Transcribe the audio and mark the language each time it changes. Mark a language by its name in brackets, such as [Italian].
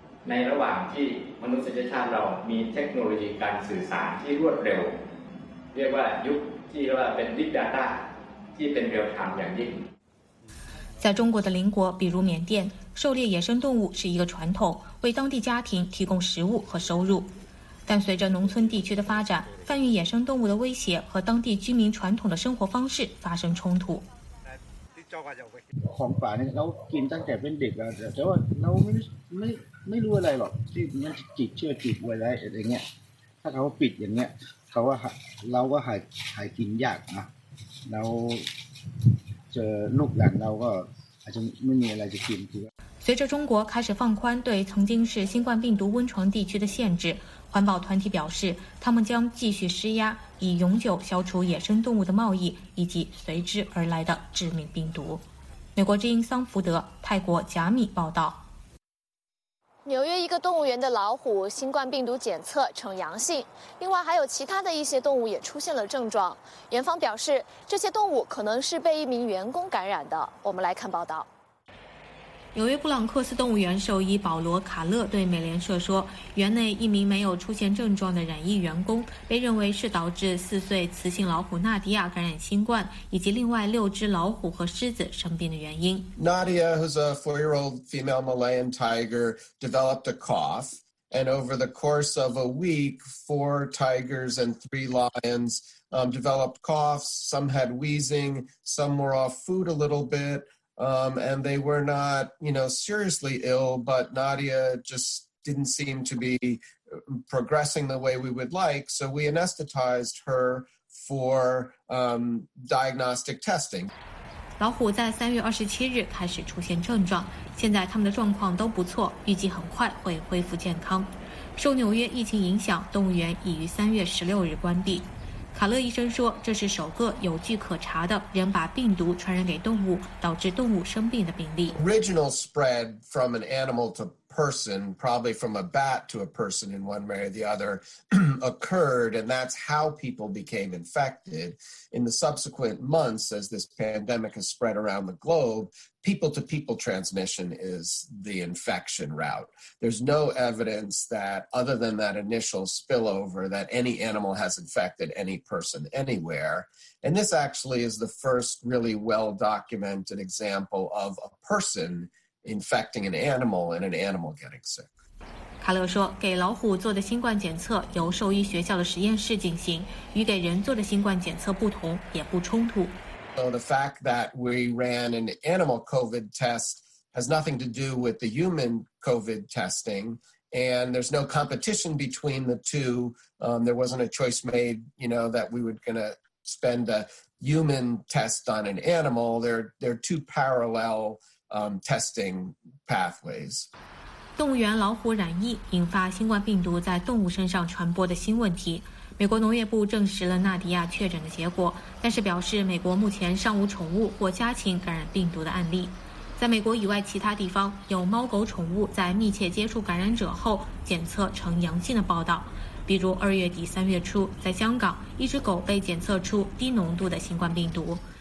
[Thai] ในระหว่างที่มนุษยชาติเรามีเทคโนโลยีการสื่อสารที่รวดเร็วเรียกว่ายุคที่ว่าเป็น Big Data ที่เป็นเรียลไทม์อย่างยิ่ง [Chinese] 在中国的邻国比如缅甸，狩猎野生动物是一个传统，为当地家庭提供食物和收入。但随着农村地区的发展，贩运野生动物的威胁和当地居民传统的生活方式发生冲突。 [Thai] ของป่าเนี่ยเรากินตั้งแต่เป็นเด็กแล้วแต่ว่าเราไม่รู้อะไรหรอกที่มันจิตเชื่อจิตไว้ไรอะไรเงี้ยถ้าเขาปิดอย่างเงี้ยเขาว่าเราก็หายกินยากนะเราเจอลูกหลานเราก็อาจจะไม่มีอะไรจะกินคือ [Chinese] 随着中国开始放宽对曾经是新冠病毒温床地区的限制，环保团体表示，他们将继续施压，以永久消除野生动物的贸易以及随之而来的致命病毒。美国之音桑福德，泰国贾米报道。纽约一个动物园的老虎新冠病毒检测呈阳性，另外还有其他的一些动物也出现了症状。园方表示，这些动物可能是被一名员工感染的。我们来看报道。纽约布朗克斯动物园兽医保罗·卡勒对美联社说，园内一名没有出现症状的染疫员工被认为是导致4岁雌性老虎纳迪亚感染新冠以及另外6只老虎和狮子生病的原因。 [English] Nadia, who's a 4-year-old female Malayan tiger, developed a cough, and over the course of a week, 4 tigers and 3 lions developed coughs. Some had wheezing, some were off food a little bitand they were not, you know, seriously ill, but Nadia just didn't seem to be progressing the way we would like, so we anesthetized her for diagnostic testing. [Chinese] 老虎在3月27日开始出现症状，现在他们的状况都不错，预计很快会恢复健康。受纽约疫情影响，动物园已于3月16日关闭。卡勒医生说，这是首个有据可查的人把病毒传染给动物，导致动物生病的病例。 [English] Original spread from an animal to person, probably from a bat to a person in one way or the other, occurred, and that's how people became infected. In the subsequent months, as this pandemic has spread around the globe, people-to-people transmission is the infection route. There's no evidence that, other than that initial spillover, that any animal has infected any person anywhere. And this actually is the first really well-documented example of a person infecting an animal and an animal getting sick. [Chinese] 卡勒说，给老虎做的新冠检测由兽医学校的实验室进行，与给人做的新冠检测不同，也不冲突。 [English] So the fact that we ran an animal COVID test has nothing to do with the human COVID testing, and there's no competition between the two. There wasn't a choice made, you know, that we were going to spend a human test on an animal. They're two parallel testing pathways. [Chinese] 动物园老虎染疫引发新冠病毒在动物身上传播的新问题。美国农业部证实了纳迪亚确诊的结果，但是表示美国目前尚无宠物或家禽感染病毒的案例。在美国以外其他地方，有猫狗宠物在密切接触感染者后检测呈阳性的报道，比如2月底3月初在香港，一只狗被检测出低浓度的新冠病毒。